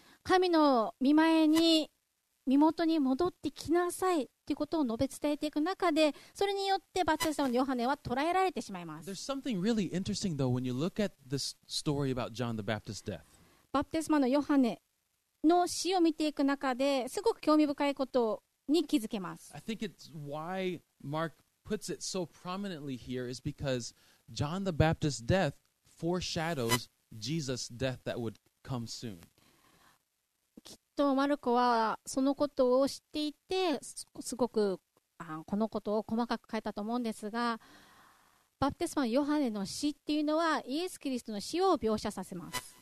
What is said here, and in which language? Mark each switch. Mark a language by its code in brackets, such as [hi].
[ja] 神の御前に身元に戻ってきなさいということを述べ伝えていく中で、それによってバプテスマのヨハネは捕らえられてしまいます。 [en] There's something really interesting though when you look at this story about John the Baptist's death. [ja] バプテスマのヨハネの死を見ていく中ですごく興味深いことに気づけます。 [en] I think it's why Mark puts it so prominently here is because John the Baptist's death foreshadows Jesus' death that would come soon. [ja] とマルコはそのことを知っていて、すごくこのことを細かく書いたと思うんですが、バプテスマのヨハネの死っていうのはイエス・キリストの死を描写させます。